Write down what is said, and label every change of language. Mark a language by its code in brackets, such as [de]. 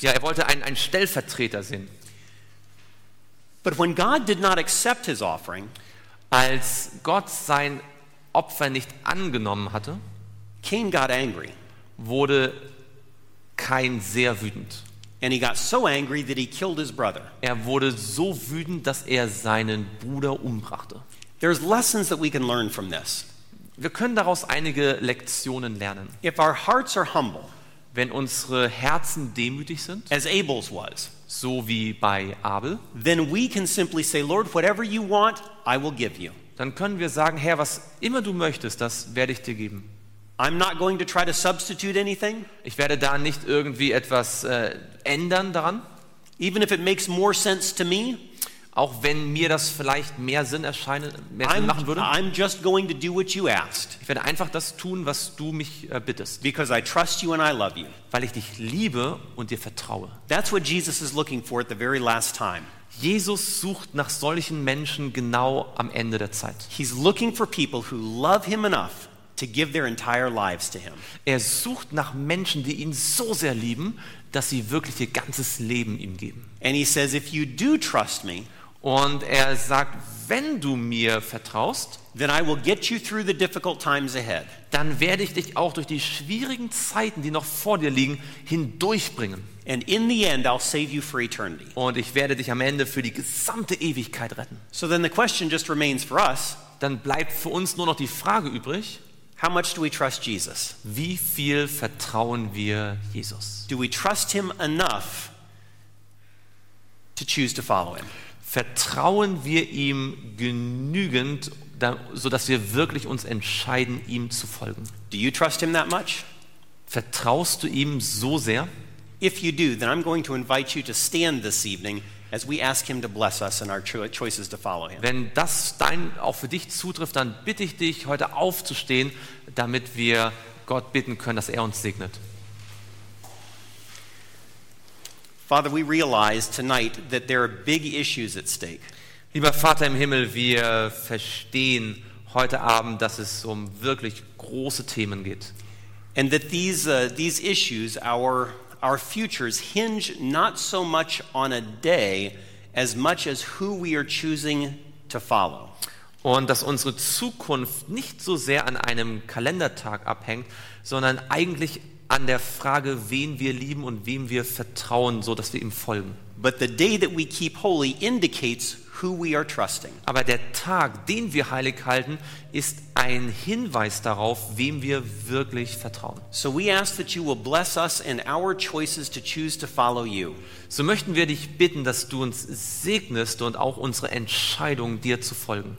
[de] Ja, er wollte einen Stellvertreter sehen. [en] But when God did not accept his offering, [de] als Gott sein Opfer nicht angenommen hatte, [en] Cain got angry. [de] Wurde Kain sehr wütend. [en] And he got so angry that he killed his brother. [de] Er wurde so wütend, dass er seinen Bruder umbrachte. [en] There's lessons that we can learn from this. [de] Wir können daraus einige Lektionen lernen. [en] If our hearts are humble, [de] wenn unsere Herzen demütig sind, [en] as Abel's was, [de] so wie bei Abel, [en] then we can simply say, Lord, whatever you want, I will give you. [de] Dann können wir sagen, Herr, was immer du möchtest, das werde ich dir geben. [en] I'm not going to try to substitute anything. [de] Ich werde da nicht irgendwie etwas ändern daran. [en] Even if it makes more sense to me. [de] Auch wenn mir das vielleicht mehr Sinn machen würde. [en] I'm just going to do what you asked. [de] Ich werde einfach das tun, was du mich bittest. [en] Because I trust you and I love you. [de] Weil ich dich liebe und dir vertraue. [en] That's what Jesus is looking for at the very last time. [de] Jesus sucht nach solchen Menschen genau am Ende der Zeit. [en] He's looking for people who love him enough to give their entire lives to him. [de] Er sucht nach Menschen, die ihn so sehr lieben, dass sie wirklich ihr ganzes Leben ihm geben. [en] And he says, if you do trust me, [de] und er sagt, wenn du mir vertraust, [en] then I will get you through the difficult times ahead. [de] Dann werde ich dich auch durch die schwierigen Zeiten, die noch vor dir liegen, hindurchbringen. [en] And in the end, I'll save you for eternity. [de] Und ich werde dich am Ende für die gesamte Ewigkeit retten. [en] So then the question just remains for us. [de] Dann bleibt für uns nur noch die Frage übrig. [en] How much do we trust Jesus? [de] Wie viel vertrauen wir Jesus? [en] Do we trust him enough to choose to follow him. [de] Vertrauen wir ihm genügend, so dass wir wirklich uns entscheiden, ihm zu folgen? [en] Do you trust him that much? [de] Vertraust du ihm so sehr? [en] If you do, then I'm going to invite you to stand this evening as we ask him to bless us in our choices to follow him. [de] Wenn das auch für dich zutrifft, dann bitte ich dich, heute aufzustehen, damit wir Gott bitten können, dass uns segnet. [en] Father, we realize tonight that there are big issues at stake. [de] Lieber Vater im Himmel, wir verstehen heute Abend, dass es wirklich große Themen geht. [en] And that these issues, our futures hinge not so much on a day as much as who we are choosing to follow. [de] Und dass unsere Zukunft nicht so sehr an einem Kalendertag abhängt, sondern eigentlich an der Frage, wen wir lieben und wem wir vertrauen, so dass wir ihm folgen. [en] But the day that we keep holy indicates who we are trusting. [de] Aber der Tag, den wir heilig halten, ist ein Hinweis darauf, wem wir wirklich vertrauen. [en] So we ask that you will bless us in our choices to choose to follow you. [de] So möchten wir dich bitten, dass du uns segnest und auch unsere Entscheidung, dir zu folgen.